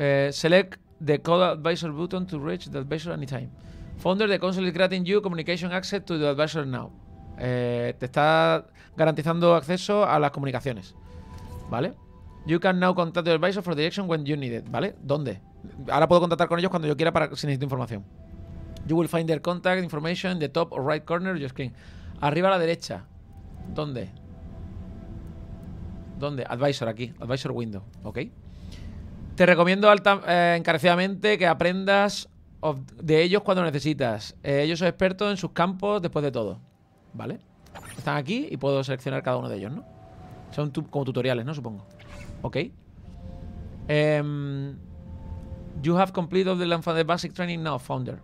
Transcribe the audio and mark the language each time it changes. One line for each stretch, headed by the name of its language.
English: Select the Code Advisor button to reach the advisor anytime. Founder, the console is granting you communication access to the advisor now.
Spanish: Te está garantizando acceso a las comunicaciones. ¿Vale?
English: You can now contact the advisor for direction when you need it.
Spanish: ¿Vale? ¿Dónde? Ahora puedo contactar con ellos cuando yo quiera si necesito información.
English: You will find their contact information in the top or right corner of your screen.
Spanish: Arriba a la derecha. ¿Dónde? ¿Dónde? Advisor, aquí. Advisor window. ¿Ok? Te recomiendo encarecidamente que aprendas de ellos cuando necesitas. Ellos son expertos en sus campos después de todo. ¿Vale? Están aquí y puedo seleccionar cada uno de ellos, ¿no? Son como tutoriales, ¿no? Supongo. ¿Ok?
English: You have completed the basic training now, founder.